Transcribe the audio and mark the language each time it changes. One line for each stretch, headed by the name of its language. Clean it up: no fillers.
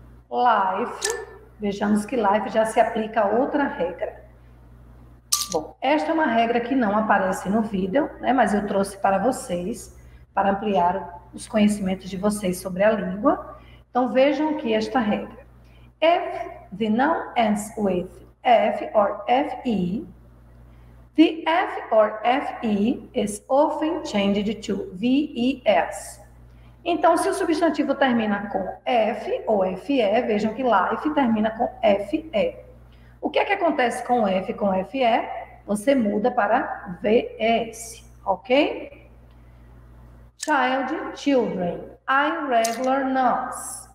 Portuguese: Life. Vejamos que life já se aplica a outra regra. Bom, esta é uma regra que não aparece no vídeo, né? Mas eu trouxe para vocês, para ampliar os conhecimentos de vocês sobre a língua. Então vejam aqui esta regra.
English: If the noun ends with F or FE, the F or FE is often changed to VES.
Portuguese: Então se o substantivo termina com F ou FE, vejam que life termina com FE. O que é que acontece com F com FE? Você muda para VES, ok? Child, children, irregular nouns.